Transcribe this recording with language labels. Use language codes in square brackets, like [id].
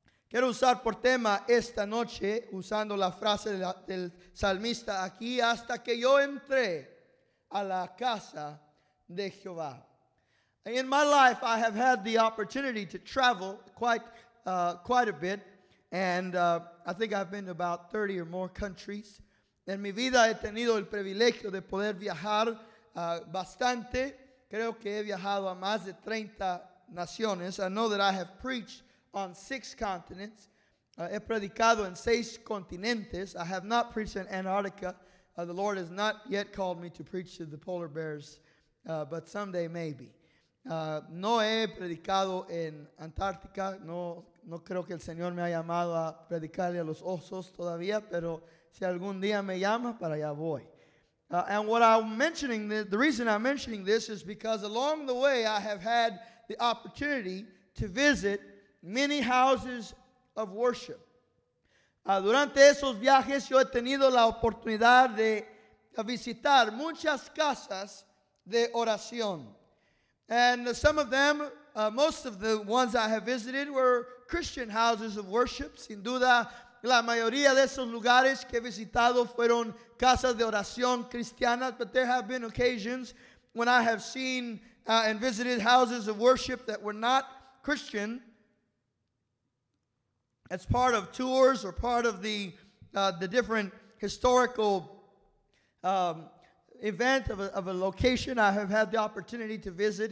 [es] Quiero usar por tema esta noche, usando la frase del salmista aquí, hasta que yo entré a la casa de Jehová. [en] In my life, I have had the opportunity to travel quite a bit, and I think I've been to about 30 or more countries. [es] En mi vida he tenido el privilegio de poder viajar bastante. Creo que he viajado a más de 30 naciones. [en] I know that I have preached on 6 continents. [es] He predicado en 6 continentes. [en] I have not preached in Antarctica. The Lord has not yet called me to preach to the polar bears, but someday maybe. [es] No he predicado en Antártica. No creo que el Señor me ha llamado a predicarle a los osos todavía, pero si algún día me llama, para allá voy. [en] And what I'm mentioning, the reason I'm mentioning this is because along the way I have had the opportunity to visit many houses of worship. [es] Durante esos viajes yo he tenido la oportunidad de visitar muchas casas de oración. [en] And some of them, most of the ones I have visited were Christian houses of worship. [es] Sin duda, la mayoría de esos lugares que he visitado fueron casas de oración cristianas, [en] but there have been occasions when I have seen and visited houses of worship that were not Christian as part of tours or part of the different historical event of a location I have had the opportunity to visit.